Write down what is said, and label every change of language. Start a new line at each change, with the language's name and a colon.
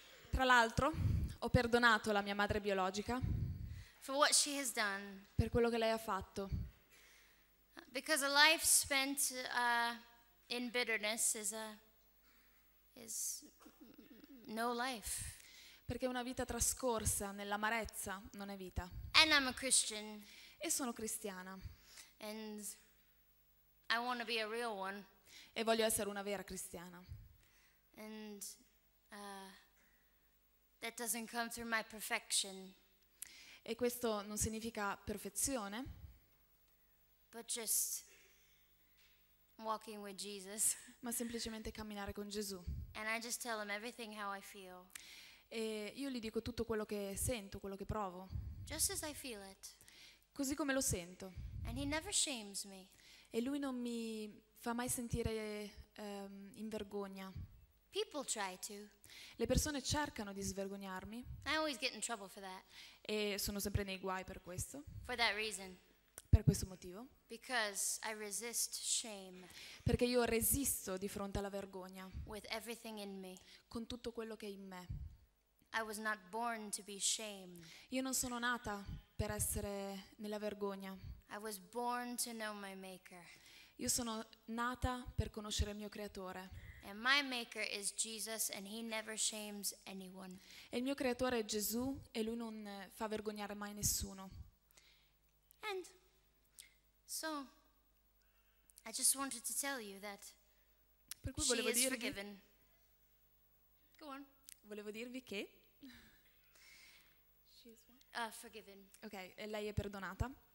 Italian: Tra l'altro, ho perdonato la mia madre biologica.
English: For what she has done.
Italian: Per quello che lei ha fatto.
English: Because a life spent in bitterness is no life.
Italian: Perché una vita trascorsa nell'amarezza non è vita.
English: And I'm a Christian.
Italian: E sono cristiana.
English: And I want to be a real one.
Italian: E voglio essere una vera cristiana.
English: And that doesn't come through my perfection.
Italian: E questo non significa perfezione.
English: But just walking with Jesus.
Italian: Ma semplicemente camminare con Gesù.
English: And I just tell him everything how I feel.
Italian: E io gli dico tutto quello che sento, quello che provo.
English: Just as I feel it.
Italian: Così come lo sento.
English: And he never shames me.
Italian: E lui non mi fa mai sentire in vergogna.
English: People try to.
Italian: Le persone cercano di svergognarmi.
English: I always get in trouble for that.
Italian: E sono sempre nei guai per questo.
English: For that reason.
Italian: Per questo motivo.
English: Because I resist shame.
Italian: Perché io resisto di fronte alla vergogna.
English: With everything in me.
Italian: Con tutto quello che è in me.
English: I was not born to be shamed.
Italian: Io non sono nata per essere nella vergogna.
English: I was born to know my maker.
Italian: Io sono nata per conoscere il mio creatore.
English: And my maker is Jesus, and he never shames anyone.
Italian: E il mio creatore è Gesù e lui non fa vergognare mai nessuno.
English: And so I just wanted to tell you that
Italian: per cui volevo dirvi,
English: she is forgiven. Go on.
Italian: Volevo dirvi che
English: she is what? Forgiven.
Italian: Okay, e lei è perdonata.